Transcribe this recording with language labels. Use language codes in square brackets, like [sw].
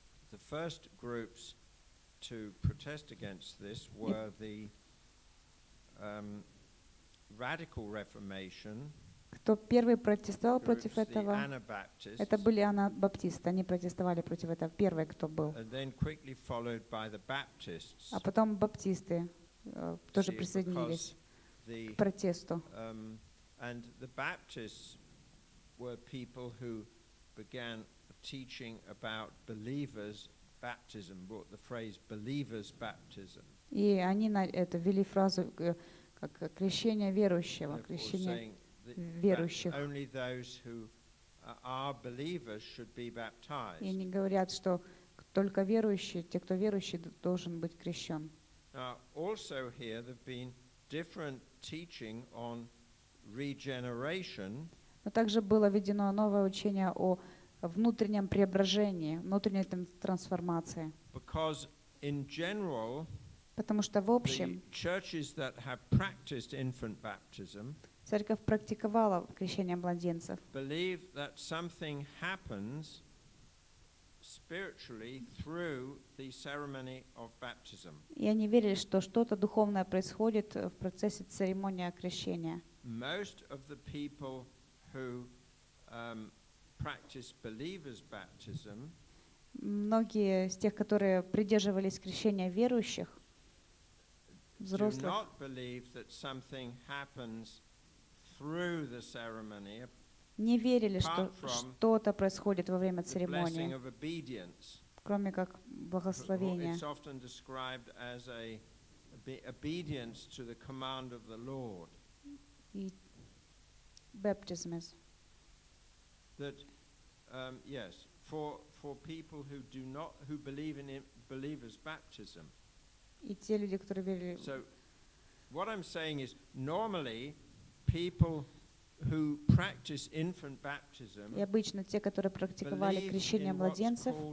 [en] The first groups to protest against this were the radical reformation. [ru] Кто первый протестовал против этого? Это были анабаптисты. Они протестовали против этого. Первый, кто был. А потом баптисты тоже присоединились к протесту. [en] And the Baptists were people who began teaching about believers' baptism, brought the phrase believers' baptism. [ru] И они на это ввели фразу как крещение верующего, крещение верующих. [en] Only those who are believers should be baptized. [ru] И они говорят, что только верующие, те, кто верующий, должен быть крещен. [en] Also here there've been different teaching on regeneration. [ru] Но также было введено новое учение о внутреннем преображении, внутренней трансформации. [en] Because in general, [ru] потому что в общем, [en] churches that have practiced infant baptism, [ru] церковь практиковала крещение младенцев, [en] believe that something happens spiritually through the ceremony of baptism. [ru] И они верили, что что-то духовное происходит в процессе церемонии крещения. [en] Most of the people who practice believers' baptism, [ru] многие из тех, которые придерживались крещения верующих, взрослых, [en] do not believe that something happens through the ceremony. [ru] Не верили, что что-то происходит во время церемонии, кроме как благословения. [en] It's often described as a obedience to the command of the Lord. Baptism is that yes, for people who do not who believe in believers baptism. [ru] И те люди, которые верили. [en] So what I'm saying is normally people who practice infant baptism, [ru] и обычно те, которые практиковали крещение младенцев,